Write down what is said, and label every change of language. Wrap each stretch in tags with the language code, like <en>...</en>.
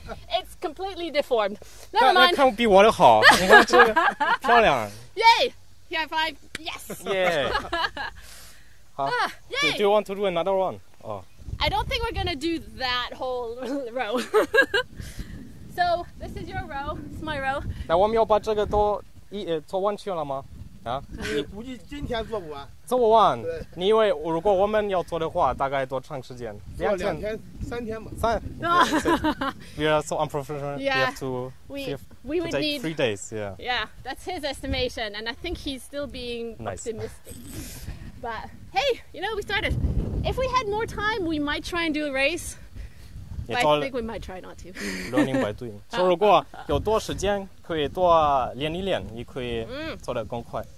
<en>It's completely deformed. Never mind.</en> <zh>那看比我的好。你看这个漂亮。</zh> <en>Yay! High five. Yes! Yeah. 好。 Yay! Do you want to do another one? Oh. I don't think we're going to do that whole row. So, this is your row. It's my row.</en> <zh>那我们要把这个都做完去了吗？你估计今天做不完，做不完。你以为如果我们要做的话，大概多长时间？两天、三天</zh> <en>吧。三。We are so unprofessional. Yeah. We have to. We would need 3 days. Yeah. Yeah, that's his estimation, and I think he's still being optimistic. But hey, you know, we started. If we had more time, we might try and do a race. But I think we might try not to. Learning by doing.</en> <zh>说如果有多时间，可以多练一练，也可以做得更快。</zh>